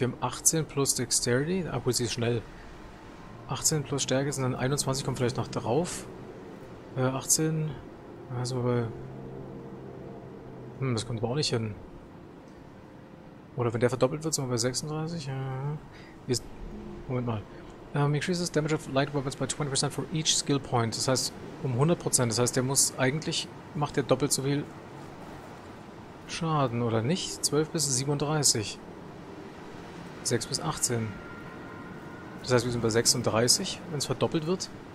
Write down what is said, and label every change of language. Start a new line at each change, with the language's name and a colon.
German: Wir haben 18 plus Dexterity. Ah, gut, sie ist schnell. 18 plus Stärke sind dann 21. Kommt vielleicht noch drauf. 18. Also bei... das kommt aber auch nicht hin. Oder wenn der verdoppelt wird, sind wir bei 36. Moment mal.
English: Increases damage of light weapons by 20% for each skill point.
German: Das heißt, um 100%. Das heißt, der muss eigentlich... macht der doppelt so viel Schaden, oder nicht? 12 bis 37. 6 bis 18. Das heißt, wir sind bei 36, wenn es verdoppelt wird.